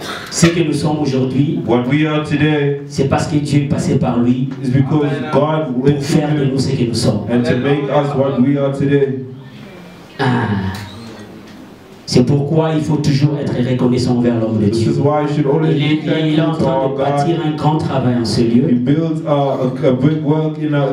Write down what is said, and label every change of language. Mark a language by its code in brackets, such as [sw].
[fr] Ce que nous sommes aujourd'hui, c'est parce que Dieu est passé par lui [en] God [fr] pour faire de nous ce que nous sommes. [en] And to make us what we are today. Ah. [fr] C'est pourquoi il faut toujours être reconnaissant envers l'homme de Dieu. Il est en train de bâtir un grand travail en ce lieu.